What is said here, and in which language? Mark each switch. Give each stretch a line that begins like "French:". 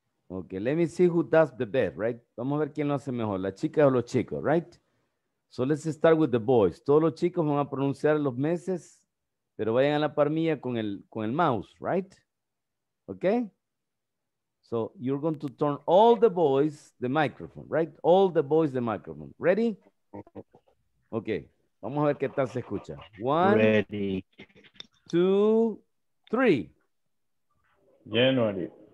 English: Okay, let me see who does the best, right?
Spanish: Vamos a ver quién lo hace mejor, la chica o los chicos, right?
English: So let's start with the boys.
Spanish: Todos los chicos van a pronunciar los meses. Pero vayan a la par mía con el mouse, right?
English: Okay? So you're going to turn all the boys the microphone, right? All the boys the microphone. Ready? Okay.
Spanish: Vamos a ver qué tal se escucha. One.
English: Ready. Two. Three. January.